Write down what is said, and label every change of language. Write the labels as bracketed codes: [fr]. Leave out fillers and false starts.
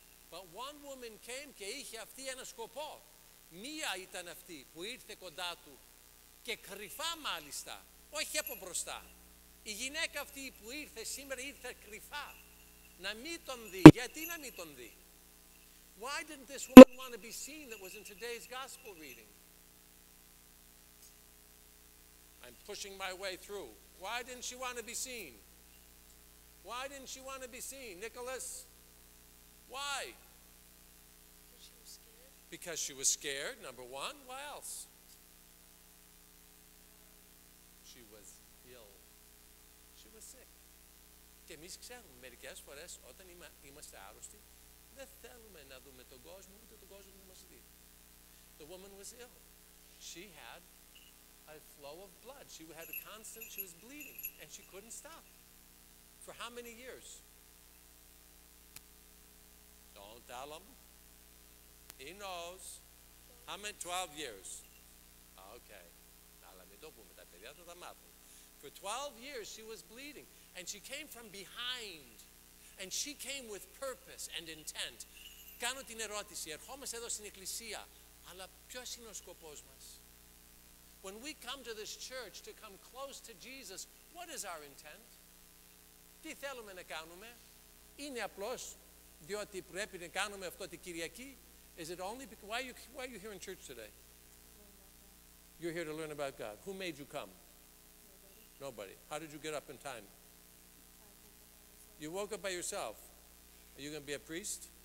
[en] But one woman came [el] και είχε αυτή ένα σκοπό. Μία ήταν αυτή που ήρθε κοντά του και κρυφά μάλιστα, όχι από μπροστά. Η γυναίκα αυτή που ήρθε σήμερα ήρθε κρυφά. Να μην τον δει. Γιατί να μην τον δει? [en] Why didn't this woman want to be seen that was in today's gospel reading? I'm pushing my way through. Why didn't she want to be seen? Why didn't she want to be seen? Nicholas? Why? Because she was scared, number one. Why else? She was ill. She was sick. [el] Και εμείς ξέρουμε μερικές φορές όταν είμαστε άρρωστοι, δεν θέλουμε να δούμε τον κόσμο ούτε τον κόσμο να μας δει. [en] The woman was ill. She had a flow of blood. She had a constant, she was bleeding, and she couldn't stop. For how many years? Don't tell him. He knows. How many? 12 years. Okay. [el] Αλλά μην το πούμε, τα παιδιά θα τα μάθουν. [en] For 12 years she was bleeding, and she came from behind, and she came with purpose and intent. [el] Κάνω την ερώτηση, ερχόμαστε εδώ στην εκκλησία, αλλά ποιος είναι ο σκοπός μας? [en] When we come to this church to come close to Jesus, what is our intent? [el] Τι θέλουμε να κάνουμε? Είναι απλώς διότι πρέπει να κάνουμε αυτό την Κυριακή? [en] Is it only because, why are you here in church today? You're here to learn about God. Who made you come? Nobody. How did you get up in time? You woke up by yourself. Are you going to be a priest?